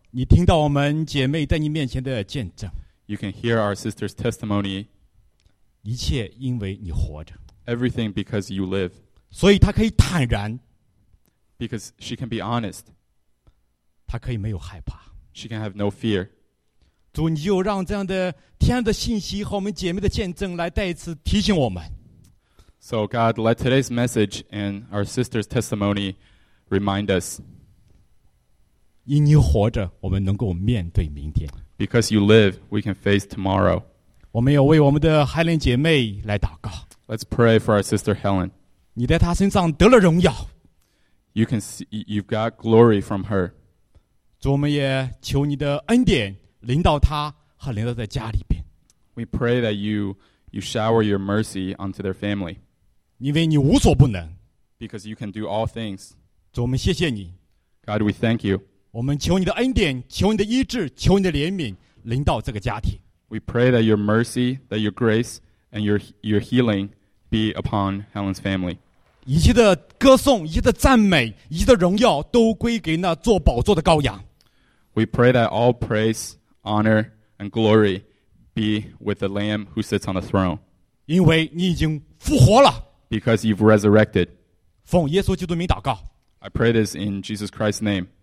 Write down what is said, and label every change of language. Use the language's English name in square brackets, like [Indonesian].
[Chinese] 你听到我们姐妹在你面前的见证。 [English] You can hear our sister's testimony. [Chinese] 一切因为你活着。 [English] Everything because you live. [Chinese] 所以她可以坦然。 [English] Because she can be honest. [Chinese] 她可以没有害怕。 [English] She can have no fear. [Chinese] 主，你就让这样的天的信息和我们姐妹的见证来再一次提醒我们。 [English] So God, let today's message and our sister's testimony remind us. [Chinese] 因你活着，我们能够面对明天。 [English] Because you live, we can face tomorrow. [Chinese] 我们要为我们的 Helen 姐妹来祷告。 [English] Let's pray for our sister Helen. [Chinese] 你在她身上得了荣耀。 [English] You can see, you've got glory from her. [Chinese] 主，我们也求你的恩典。临到他和临到在家里边。 [English] We pray that you shower your mercy onto their family. [Chinese] 因为你无所不能。 [English] Because you can do all things. [Chinese] 主，我们谢谢你。 [English] God, we thank you. [Chinese] 我们求你的恩典，求你的医治，求你的怜悯临到这个家庭。 [English] We pray that your mercy, that your grace, and your healing be upon Helen's family. [Chinese] 一切的歌颂，一切的赞美，一切的荣耀，都归给那坐宝座的羔羊。 [English] We pray that all praise, honor, and glory be with the Lamb who sits on the throne. [Chinese] 因为你已经复活了。 [English] Because you've resurrected. [Chinese] 奉耶稣基督名祷告。 [English] I pray this in Jesus Christ's name.